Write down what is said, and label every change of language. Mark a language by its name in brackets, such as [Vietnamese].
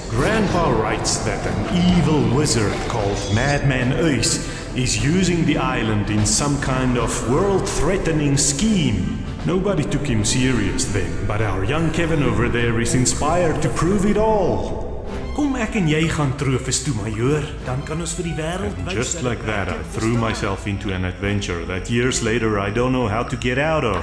[English] Grandpa writes that an evil wizard called Madman Uys is using the island in some kind of world-threatening scheme. Nobody took him serious then, but our young Kevin over there is inspired to prove it all. [Afrikaans] Kom ek en jy gaan trofees toe, majoor. Dan kan ons vir die wêreld wys. [English] Just like that, I threw myself into an adventure that years later I don't know how to get out of.